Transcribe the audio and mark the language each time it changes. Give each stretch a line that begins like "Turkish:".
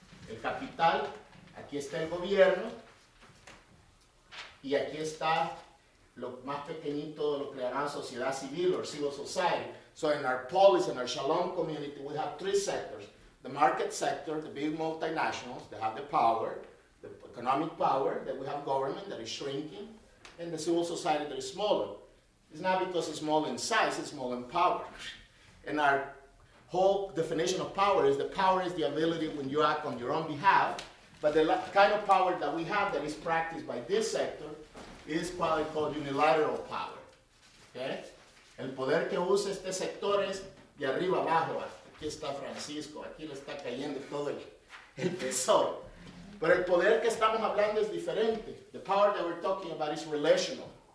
Spanish: El capital, aquí está el gobierno, y aquí está lo más pequeñito, lo que llaman sociedad civil
English: or civil society. So in our polis, in our Shalom community, we have three sectors. The market sector, the big multinationals, they have the power, the economic power, then we have government that is shrinking, and the civil society that is smaller. It's not because it's small in size, it's small in power. And our whole definition of power is the power is the ability when you act on your own behalf. But the kind of power that we have that is practiced by this sector is probably called unilateral power. Okay?
Spanish: El poder que usa este sector es de arriba abajo. Aquí está Francisco. Aquí le está cayendo todo el peso. Pero el poder que estamos hablando es diferente.
English: The power that we're talking about is relational.